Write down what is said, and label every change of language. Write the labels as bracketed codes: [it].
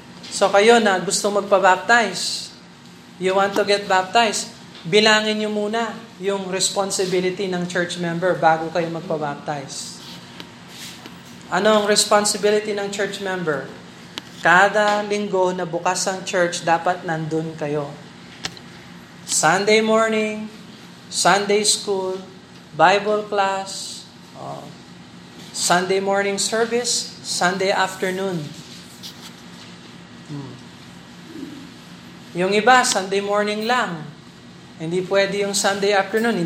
[tl] So kayo na gusto magpa-baptize, [en] you want to get baptized, [tl] bilangin nyo muna yung responsibility ng church member bago kayo magpa-baptize. Ano ang responsibility ng church member? Kada linggo na bukas ang church, dapat nandun kayo. [en] Sunday morning, Sunday school, Bible class, Sunday morning service, Sunday afternoon. [tl] Yung iba, Sunday morning lang. Hindi pwede yung Sunday afternoon.